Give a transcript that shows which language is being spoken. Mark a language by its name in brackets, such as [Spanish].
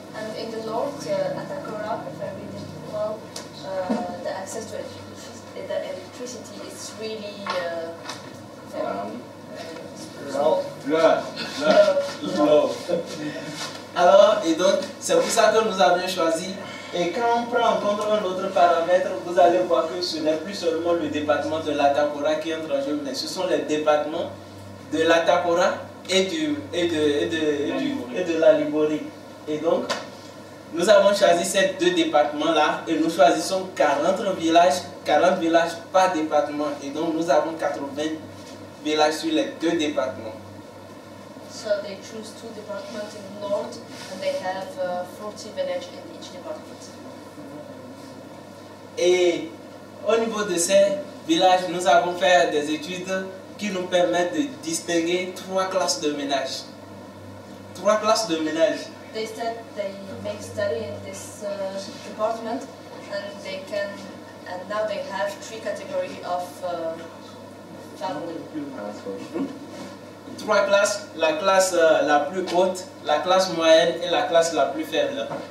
[English] And in the north, Atacora, if I read it well, the access to electricity is really low. [French] Alors, et donc, c'est pour ça que nous avons choisi. Et quand on prend en compte un autre paramètre, vous allez voir que ce n'est plus seulement le département de l'Atakora qui entre en jeu, mais ce sont les départements de l'Atakora et de la Liborie. Et donc, nous avons choisi ces deux départements-là et nous choisissons 40 villages par département. Et donc, nous avons 80 villages sur les deux départements. [English] So they choose two departments in the north, and they have 40 villages in each department. [French] Et au niveau de ces villages, nous avons fait des études qui nous permettent de distinguer trois classes de ménages. Trois classes de ménages. [English] They said they make study in this department, and now they have three categories of families. [French] Trois classes, la classe la plus haute, la classe moyenne et la classe la plus faible.